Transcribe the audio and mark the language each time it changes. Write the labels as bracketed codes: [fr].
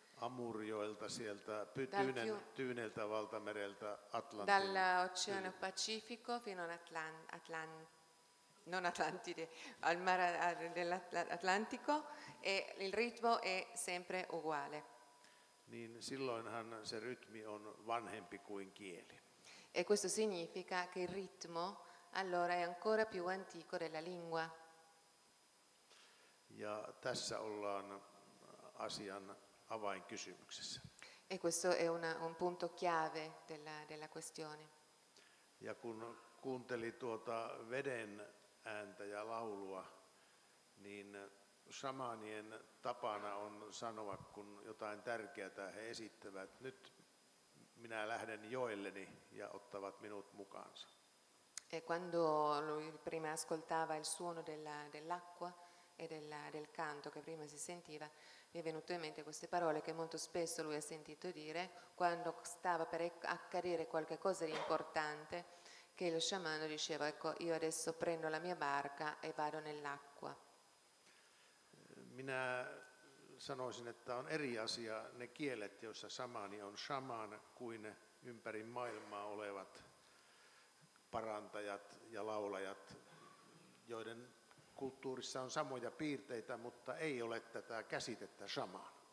[fi] Amurjoelta sieltä tyyneltä valtamereltä Atlantin. [it] Dall'oceano Pacifico fino all'Atlantico e il ritmo è sempre uguale. [fi] Niin silloinhan se rytmi on vanhempi kuin kieli. [it] E questo significa che il ritmo allora è ancora più antico della lingua. [fi] Ja tässä ollaan asian avainkysymyksessä. [it] E questo è un punto chiave della questione. [fi] Ja kun kuunteli tuota veden ääntä ja laulua, niin shamanien tapana on sanoa, kun jotain tärkeää he esittävät, nyt minä lähden joelleni ja ottavat minut mukaansa. [it] E quando lui prima ascoltava il suono dell'acqua e del canto che prima si sentiva, mi è venuto in mente queste parole che molto spesso lui ha sentito dire quando stava per accadere qualche cosa di importante, che lo sciamano diceva: ecco, io adesso prendo la mia barca e vado nell'acqua. [fi] Minä sanoisin, että on eri asia ne kielet, joissa shamani on shaman, kuin ympäri maailmaa olevat parantajat ja laulajat, joiden kulttuurissa on samoja piirteitä, mutta ei ole tätä käsitettä shaman.